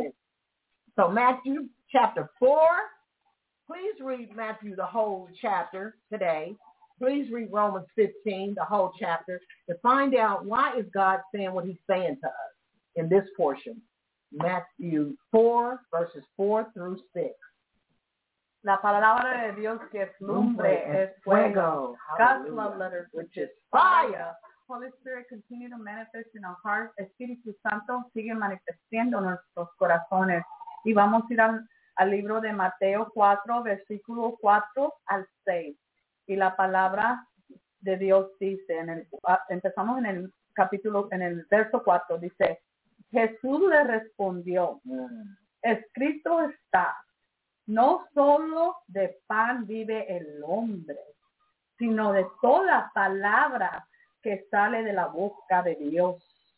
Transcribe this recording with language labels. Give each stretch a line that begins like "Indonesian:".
English: Excited. So Matthew chapter 4. Please read Matthew the whole chapter today. Please read Romans 15, the whole chapter, to find out why is God saying what he's saying to us in this portion. Matthew 4, verses 4 through 6.
Spanish: La palabra de Dios que es lumbre es fuego.
English: Hallelujah. God's love letter, which is fire. Holy Spirit, continue to manifest in our hearts.
Spanish: Espíritu Santo, sigue manifestando nuestros corazones. Y vamos a ir al libro de Mateo 4, versículo 4 al 6. Y la palabra de Dios dice, empezamos en el capítulo, en el verso 4, dice, Jesús le respondió, escrito está, no solo de pan vive el hombre, sino de toda palabra que sale de la boca de Dios.